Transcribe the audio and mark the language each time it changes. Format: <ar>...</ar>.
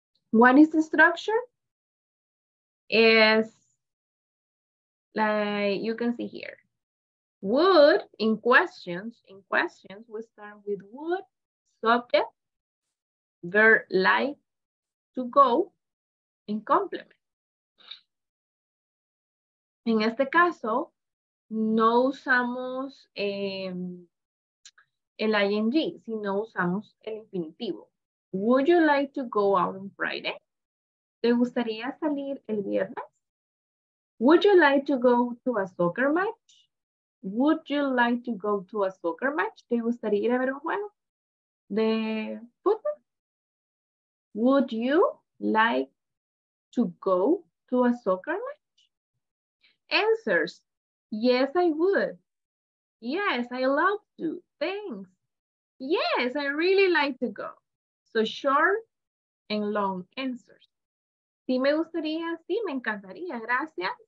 <en>What is the structure? Is like you can see here. Would in questions, we start with would, subject, verb like, to go, and complement.</en> <es>En este caso, no usamos el ing, sino usamos el infinitivo.</es> <en>Would you like to go out on Friday?</en> <es>¿Te gustaría salir el viernes?</es> <en>Would you like to go to a soccer match? Would you like to go to a soccer match?</en> <es>¿Te gustaría ir a ver un juego de fútbol?</es> <en>Would you like to go to a soccer match? Answers. Yes, I would. Yes, I love to. Thanks. Yes, I really like to go. So short and long answers.</en> <es>Sí, me gustaría. Sí, me encantaría. Gracias.</es>